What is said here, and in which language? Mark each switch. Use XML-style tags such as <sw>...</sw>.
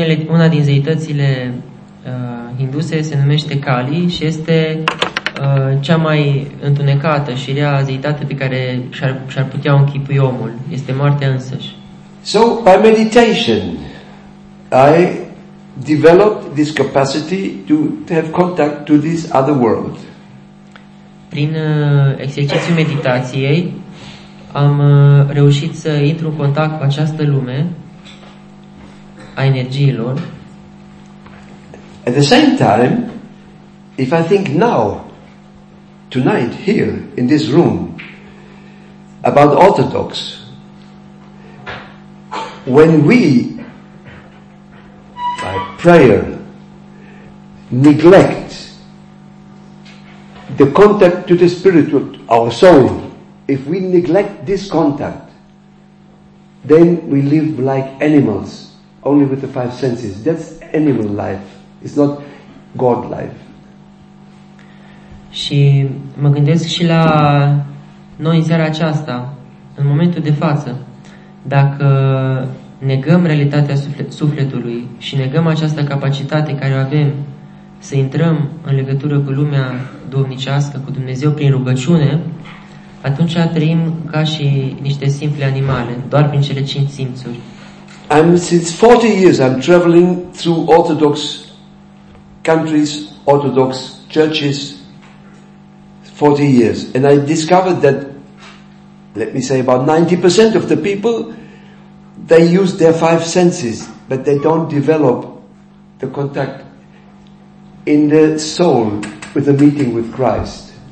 <ro>Una din zeitățile hinduse se numește Kali și este cea mai întunecată și rea zeitate pe care și-ar putea închipui omul. Este moartea însăși.</ro> <en>So, by meditation, I developed this capacity to have contact to this other world.</en> <ro>Prin exercițiul meditației, am reușit să intru în contact cu această lume a energiilor.</ro> <en>At the same time, if I think now, tonight, here, in this room, about Orthodox, when we, by prayer, neglect the contact to the spirit of our soul, if we neglect this contact, then we live like animals, only with the five senses. That's animal life. It's not God life.</en> <ro>Și mă gândesc și la noi în seara aceasta, în momentul de față, dacă negăm realitatea sufletului și negăm această capacitate care o avem să intrăm în legătură cu lumea duhovnicească, cu Dumnezeu prin rugăciune, atunci trăim ca și niște simple animale, doar prin cele cinci simțuri.</ro> <en>Since 40 years I'm traveling through Orthodox countries, Orthodox churches, 40 years, and I discovered that, let me say, about 90% of the people, they use their five senses, but they don't develop the contact in the soul with the meeting with Christ.</en>